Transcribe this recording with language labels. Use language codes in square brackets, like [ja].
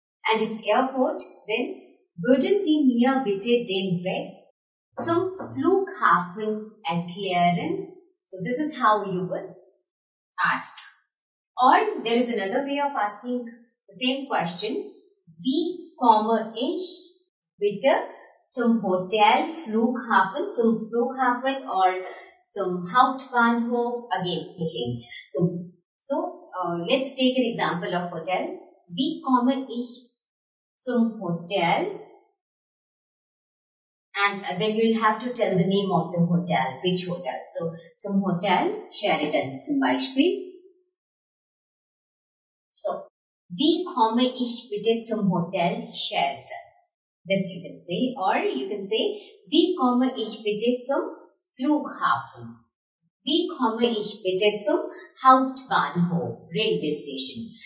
[en] And if airport, then [de] Würden Sie mir bitte den Weg zum Flughafen erklären? [en] So, this is how you would ask. Or, there is another way of asking the same question. [de] Wie komme ich bitte zum Hotel, Flughafen, zum Flughafen or zum Hauptbahnhof? [en] Again, the same. So, let's take an example of hotel. [de] Wie komme ich zum Hotel? [en] And then you'll have to tell the name of the hotel, which hotel. [de] So, zum Hotel, Sheraton, zum Beispiel. So, wie komme ich bitte zum Hotel Sheraton? [en] This you can say, or you can say, [de] wie komme ich bitte zum Flughafen? Wie komme ich bitte zum Hauptbahnhof, [en] railway station?